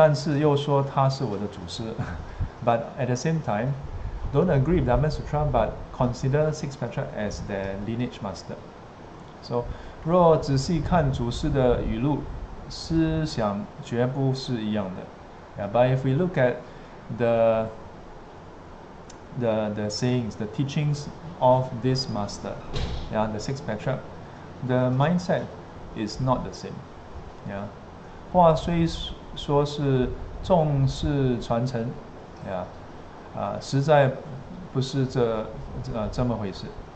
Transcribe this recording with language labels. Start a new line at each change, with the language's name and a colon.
Chinese: 但是又说他是我的祖师.
English: But at the same time, don't agree with Dhamma Sutra, but consider Six Patra as their lineage master.
Chinese: So, 若仔细看祖师的语录, 思想绝不是一样的.
English: Yeah, but if we look at the sayings, the teachings of this master, yeah, the Six Patra, the mindset is not the same.
Chinese: Yeah. 话虽说是重视传承, yeah, 实在不是这么回事.